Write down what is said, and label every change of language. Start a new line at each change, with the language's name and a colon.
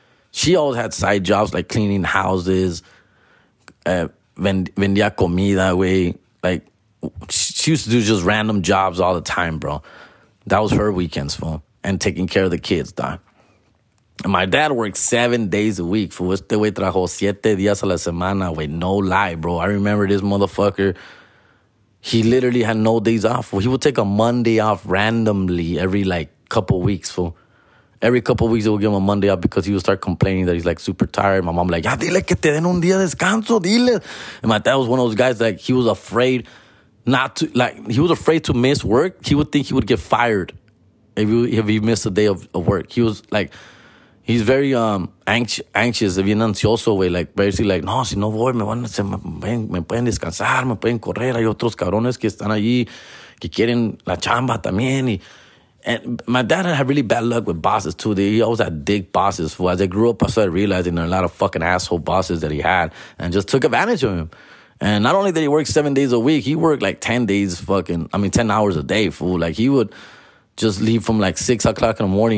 English: She always had side jobs, like cleaning houses,
Spanish: vendía comida, wey.
English: Like, she used to do just random jobs all the time, bro. That was her weekends, fool. And taking care of the kids, dog. And my dad worked 7 days a week, fool.
Spanish: Este wey trajo 7 días a la semana, wey.
English: No lie, bro. I remember this motherfucker. He literally had no days off, fool. He would take a Monday off randomly every, like, couple weeks, fool. Every couple of weeks, they would give him a Monday off because he would start complaining that he's, like, super tired. My mom like,
Spanish: ya dile que te den un día descanso, dile.
English: And my dad was one of those guys, like, he was afraid not to, like, he was afraid to miss work. He would think he would get fired if he missed a day of work. He was, like, he's very anxious,
Spanish: bien ansioso, way, like, basically, like, no, si no voy, me pueden descansar, me pueden correr. Hay otros cabrones que están allí que quieren la chamba también, y...
English: And my dad had really bad luck with bosses too. He always had dick bosses. As I grew up, I started realizing there are a lot of fucking asshole bosses that he had and just took advantage of him. And not only did he work 7 days a week, he worked like 10 hours a day, fool. Like he would just leave from like 6 o'clock in the morning.